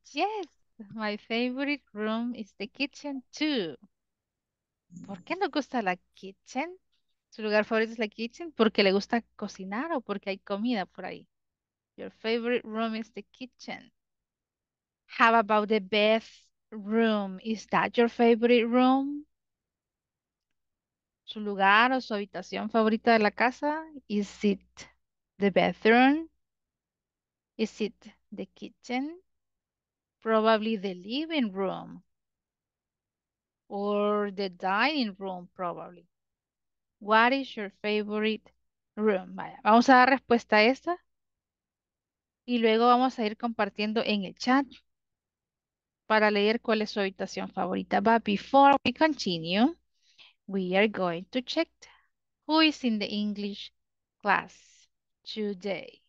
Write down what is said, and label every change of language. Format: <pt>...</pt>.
<en>Yes, my favorite room is the kitchen too.</en> <es>¿Por qué nos gusta la kitchen? ¿Su lugar favorito es la kitchen? ¿Porque le gusta cocinar o porque hay comida por ahí?</es> <en>Your favorite room is the kitchen. How about the best room? Is that your favorite room?</en> <es>¿Su lugar o su habitación favorita de la casa?</es> <en>Is it the bathroom? Is it the kitchen? Probably the living room. Or the dining room, probably. What is your favorite room?</en> <es>Vaya, vamos a dar respuesta a esta. Y luego vamos a ir compartiendo en el chat para leer cuál es su habitación favorita.</es> <en>But before we continue, we are going to check who is in the English class today.</en>